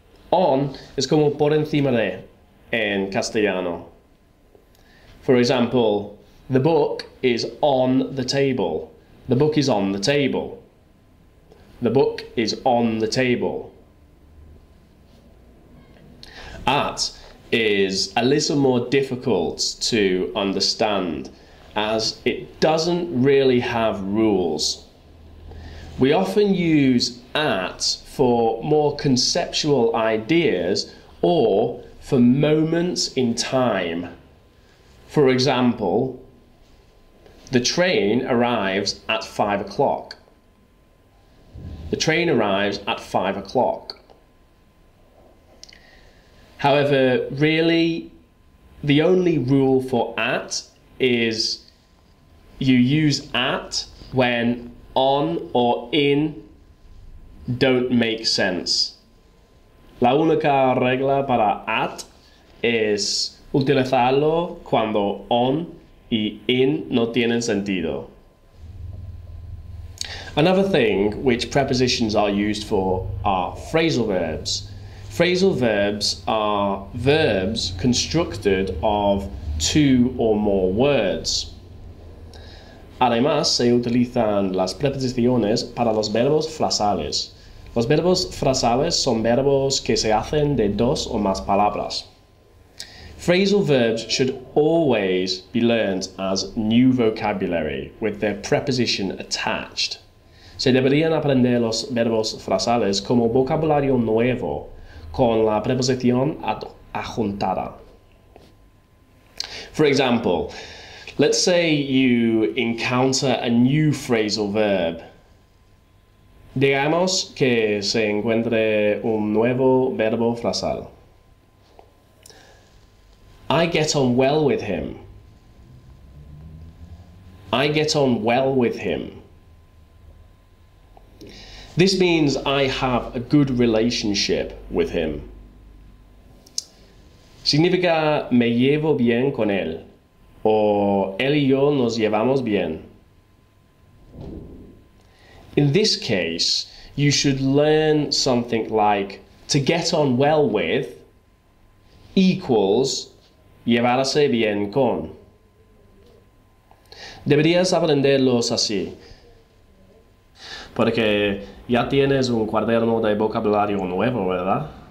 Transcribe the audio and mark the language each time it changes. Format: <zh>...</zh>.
<en>On is</en> <es>como por encima de en castellano.</es> <en>For example, the book is on the table. The book is on the table. The book is on the table. At is a little more difficult to understand as it doesn't really have rules. We often use at for more conceptual ideas or for moments in time. For example, the train arrives at 5 o'clock. The train arrives at 5 o'clock. However, really, the only rule for at is you use at when on or in don't make sense.</en> <es>La única regla para at es utilizarlo cuando on y in no tienen sentido.</es> <en>Another thing which prepositions are used for are phrasal verbs. Phrasal verbs are verbs constructed of two or more words.</en> <es>Además, se utilizan las preposiciones para los verbos frasales. Los verbos frasales son verbos que se hacen de dos o más palabras.</es> <en>Phrasal verbs should always be learned as new vocabulary with their preposition attached.</en> <es>Se deberían aprender los verbos frasales como vocabulario nuevo con la preposición adjuntada.</es> <en>For example, let's say you encounter a new phrasal verb.</en> <es>Digamos que se encuentre un nuevo verbo frasal.</es> <en>I get on well with him. I get on well with him. This means I have a good relationship with him.</en> <es>Significa me llevo bien con él, o él y yo nos llevamos bien.</es> <en>In this case, you should learn something like to get on well with equals</en> <es>llevarse bien con. Deberías aprenderlos así, porque ya tienes un cuaderno de vocabulario nuevo, ¿verdad?</es>